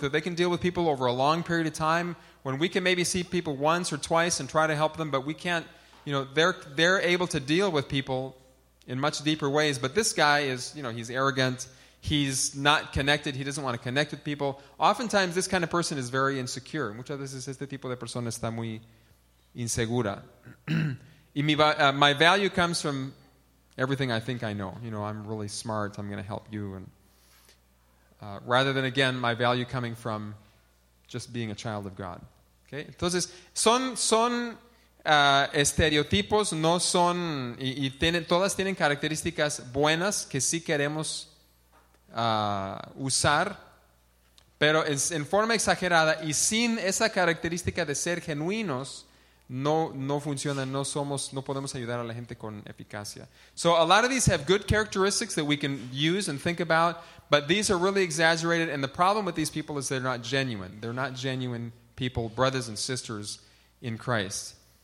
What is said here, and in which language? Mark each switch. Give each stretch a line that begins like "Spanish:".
English: They can deal with people over a long period of time when we can maybe see people once or twice and try to help them, but we can't. You know, they're able to deal with people in much deeper ways, but this guy is, you know, he's arrogant, he's not connected, he doesn't want to connect with people. Oftentimes, this kind of person is very insecure.
Spanish: Muchas veces este tipo de persona está muy insegura.
English: Y my value comes from everything I think I know. You know, I'm really smart, I'm going to help you. Rather than, again, my value coming from just being a child of God. Okay?
Spanish: Entonces, son estereotipos, no son, y tienen, todas tienen características buenas que sí queremos usar, pero en forma exagerada y sin esa característica de ser genuinos, no funcionan, no podemos ayudar a la gente con eficacia.
English: So a lot of these have good characteristics that we can use and think about, but these are really exaggerated, and the problem with these people is they're not genuine. They're not genuine people, brothers and sisters in Christ.